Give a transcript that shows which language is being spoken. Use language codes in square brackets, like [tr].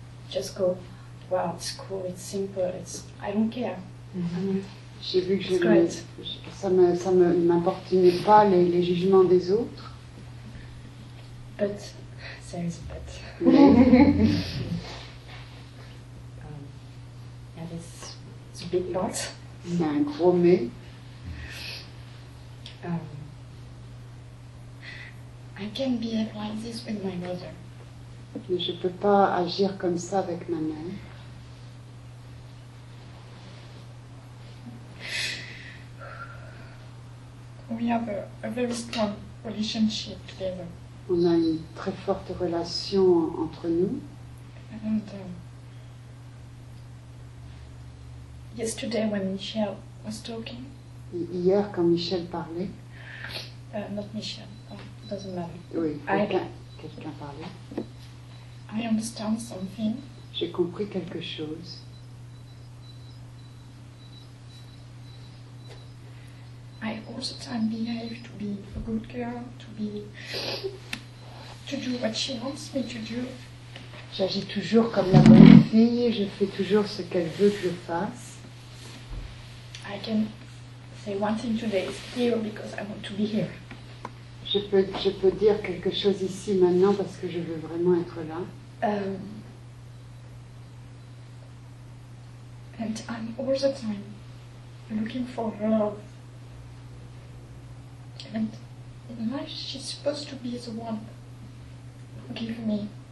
[en] Just go, wow, it's cool, it's simple, it's, I don't care. Mm-hmm. [fr] J'ai vu que je ça m'importunait pas les jugements des autres. [en] But there is a but. And it's a big part. [fr] Il y a un gros mais. [en] I can't behave like this with my mother. [fr] Mais je peux pas agir comme ça avec ma mère. [en] We have a very strong relationship together. [fr] On a une très forte relation entre nous. [en] And, yesterday when Michel was talking. [fr] Hier quand Michel parlait. [en] Not Michel. Oh, doesn't matter. [fr] Oui. Quelqu'un parlait. [en] I understand something. [fr] J'ai compris quelque chose. [en] I all the time behave to be a good girl, to do what she wants me to do. [fr] J'agis toujours comme la bonne fille, je fais toujours ce qu'elle veut que je fasse. [en] I can say one thing today is here because I want to be here. [fr] Je peux dire quelque chose ici maintenant parce que je veux vraiment être là. [en] And I'm all the time looking for love. And in life, she's supposed to be the one who gives me.